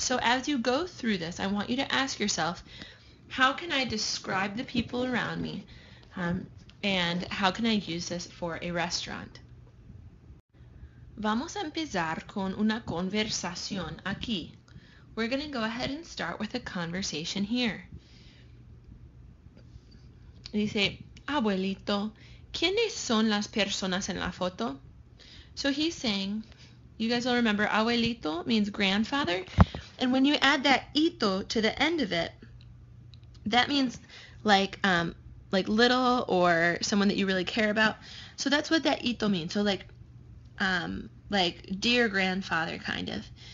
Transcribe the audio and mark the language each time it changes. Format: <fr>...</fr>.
<en>So as you go through this, I want you to ask yourself, how can I describe the people around me and how can I use this for a restaurant?</en> <es>Vamos a empezar con una conversación aquí.</es> <en>We're going to go ahead and start with a conversation here.</en> <es>Dice, abuelito, ¿quiénes son las personas en la foto?</es> <en>So he's saying, you guys all remember, abuelito means grandfather. And when you add that ito to the end of it, that means like little or someone that you really care about. So that's what that ito means. So like dear grandfather, kind of.</en>